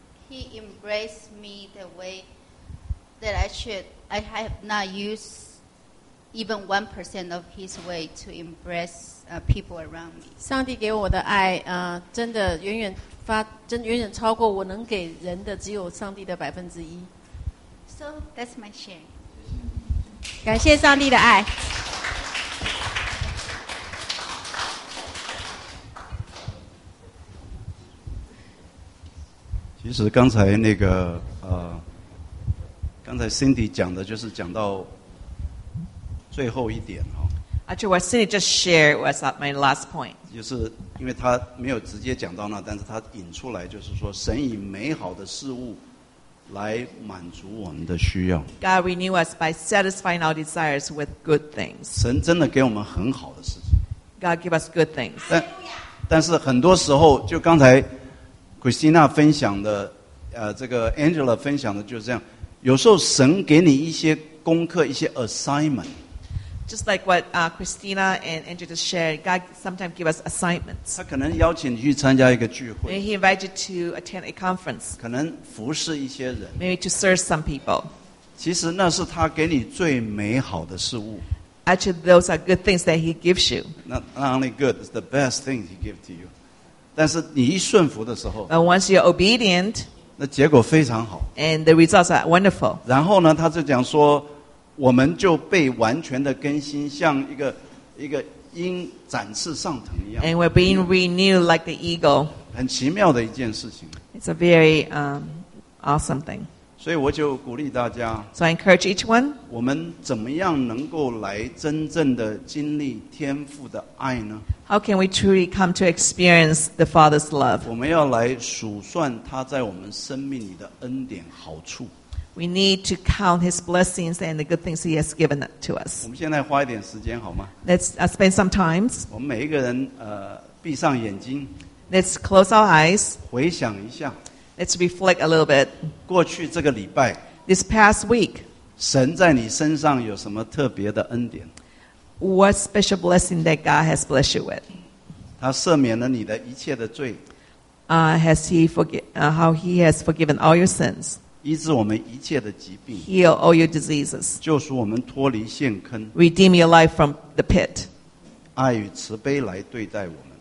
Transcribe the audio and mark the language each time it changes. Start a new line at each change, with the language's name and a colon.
English: He embraced me the way that I have not used even 1% of his way to embrace people around me.
Chinese: 上帝给我的爱，真的远远发，真远远超过我能给人的，只有上帝的百分之一。
English: So that's my share.
Chinese: 感谢上帝的爱。其实刚才那个刚才 Cindy 讲的就是讲到最后一点哦。
English: Actually, what Cindy just shared was at my last point.
Chinese: 就是因为他没有直接讲到那，但是他引出来就是说，神以美好的事物来满足我们的需要。
English: God renew us by satisfying our desires with good things.
Chinese: 神真的给我们很好的事情。
English: God give us good things.
Chinese: 但是很多时候，就刚才 Christina 分享的，这个 Angela 分享的就是这样。有时候神给你一些功课，一些 assignment。
English: Just like what Christina and Andrew just shared, God sometimes gives us assignments.
Chinese: 他可能邀请你去参加一个聚会。
English: Maybe he invited you to attend a conference.
Chinese: 可能服侍一些人。
English: Maybe to serve some people.
Chinese: 其实那是他给你最美好的事物。
English: Actually, those are good things that he gives you. Not only good, it's the best thing he gives to you.
Chinese: 但是你一顺服的时候。
English: But once you're obedient.
Chinese: 那结果非常好。
English: And the results are wonderful.
Chinese: 然后呢，他就讲说。我们就被完全的更新，像一个鹰展翅上腾一样。
English: And we're being renewed like the eagle.
Chinese: 很奇妙的一件事情。
English: It's a very awesome thing.
Chinese: 所以我就鼓励大家。
English: So I encourage each one.
Chinese: 我们怎么样能够来真正的经历天父的爱呢
English: ？How can we truly come to experience the Father's love？
Chinese: 我们要来数算他在我们生命里的恩典好处。
English: We need to count his blessings and the good things he has given to us.
Chinese: 我们现在花一点时间好吗
English: ？Let's spend some time.
Chinese: 我们每一个人闭上眼睛。
English: Let's close our eyes.
Chinese: 回想一下。
English: Let's reflect a little bit.
Chinese: 过去这个礼拜。
English: This past week.
Chinese: 神在你身上有什么特别的恩典
English: ？What special blessing that God has blessed you with?
Chinese: 他赦免了你的一切的罪。
English: Has he forgiven? How he has forgiven all your sins?
Chinese: 医治我们一切的疾病
English: Heal all your diseases
Chinese: 救赎我们脱离陷坑
English: Redeem your life from the pit
Chinese: 爱与慈悲来对待我们